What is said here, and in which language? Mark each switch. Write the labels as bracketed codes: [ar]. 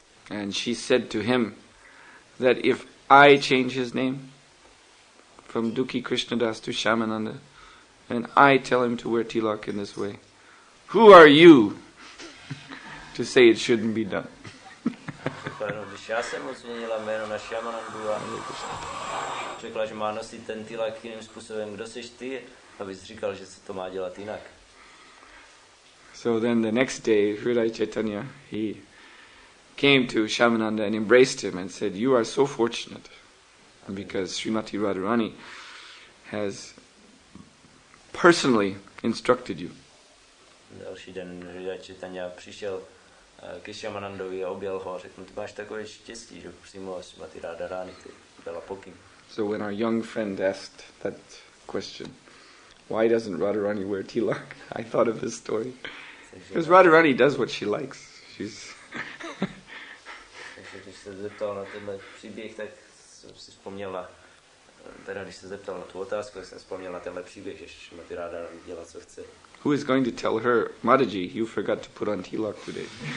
[en] And she said to him that if I change his name from Duki Krishnadas to Shyamananda, and I tell him to wear tilak in this way, who are you to say it shouldn't be done? [cs] Když já jsem mu změnila jméno na Shyamanandu a řekla, že má nosit ten tilak jiným způsobem, kdo jsi ty, abys říkal, že se to má dělat jinak. [en] So then the next day, Hridaya Chaitanya, he came to Shyamananda and embraced him and said, "You are so fortunate, because Srimati Radharani has personally instructed you." [cs] Další den Hridaya Chaitanya přišel ke Shyamanandovi a objel ho a řekl mu, "Ty máš takové štěstí, že přímo Srimati Radharani ty byla pokyn." [en] So when our young friend asked that question, why doesn't Radharani wear tilak? I thought of his story. Because Radharani does what she likes. She's [cs] takže když se zeptal na tenhle příběh, tak jsem si vzpomněla, teda když se zeptal na tu otázku, tak jsem vzpomněla tenhle příběh, že Srimati Radharani dělá, co chce. [en] Who is going to tell her, "Mataji, you forgot to put on tilak today"?